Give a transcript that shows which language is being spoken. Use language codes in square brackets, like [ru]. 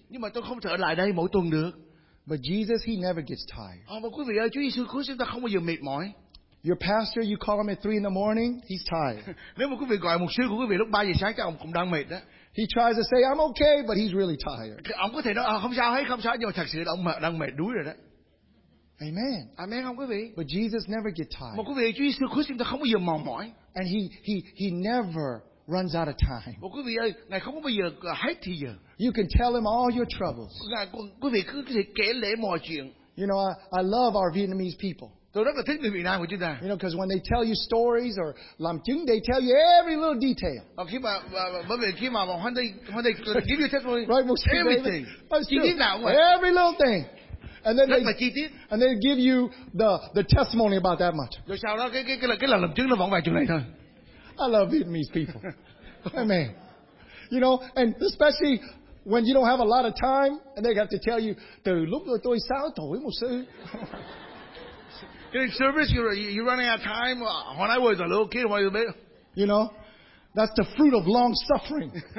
[vi] Nhưng mà tôi không trở lại đây mỗi tuần được. [en] But Jesus, He never gets tired. [vi] Mà quý vị ơi, Chúa Giêsu Christ chúng ta không bao giờ mệt mỏi. [en] Your pastor, you call him at 3 in the morning, he's tired. [vi] Nếu mà quý vị gọi mục sư của quý vị lúc 3 giờ sáng, các ông cũng đang mệt đó. [en] He tries to say I'm okay, but he's really tired. [vi] Ông có thể nói không sao hết, không sao, nhưng mà thật sự ông đang mệt đuối rồi đó. [en] Amen. [vi] Amen không quý vị? [en] But Jesus never gets tired. [vi] Mà quý vị, Chúa Giêsu Christ chúng ta không bao giờ mòn mỏi. [en] And he never runs out of time. [vi] Mà quý vị ơi, Ngài không bao giờ hết thì giờ. [en] You can tell him all your troubles. [vi] Ngài, quý vị cứ có thể kể lể mọi chuyện. [en] You know, I love our Vietnamese people. [vi] Tôi rất là thích người Việt Nam của chúng ta. [en] You know, because when they tell you stories or [vi] làm chứng, [en] they tell you every little detail. [vi] Khi mà bởi vì khi mà họ đây [en] give you testimony, right, [vi] everything, chi tiết nào cũng vậy. [en] Every little thing, and then [vi] rất là chi tiết. [en] And they give you the testimony about that much. [vi] Rồi sau đó cái là làm chứng nó vẫn vài chuyện này thôi. [en] I love Vietnamese people. Amen. You know, and especially when you don't have a lot of time, and they have to tell you [vi] từ lúc tôi 6 tuổi một sư. [en] During service, you're running out of time. When I was a little kid, when I was a baby. You know, that's the fruit of long suffering.